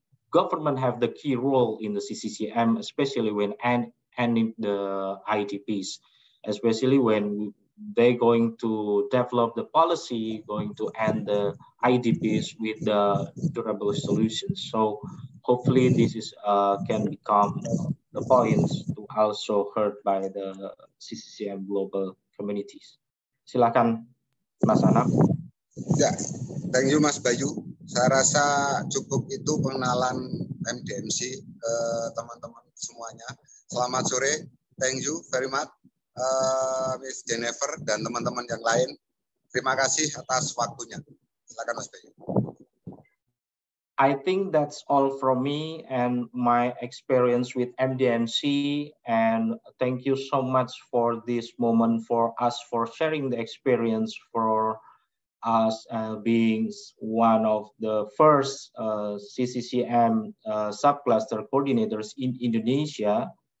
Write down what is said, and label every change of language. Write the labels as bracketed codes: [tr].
[en] government have the key role in the CCCM, especially when ending the IDPs, especially when they're going to develop the policy, going to end the IDPs with the durable solutions. So hopefully this is can become the points to also heard by the CCCM global communities. [id] Silakan, Mas Anam. [en] Yeah, thank you, Mas Bayu. [id] Saya rasa cukup itu pengenalan MDMC ke teman-teman semuanya. Selamat sore, [en] thank you very much. [id] Miss Jennifer dan teman-teman yang lain, terima kasih atas waktunya. Silakan Mas Bayu. [en] I think that's all from me and my experience with MDMC, and thank you so much for this moment for us for sharing the experience for us being one of the first CCCM subcluster coordinators in Indonesia.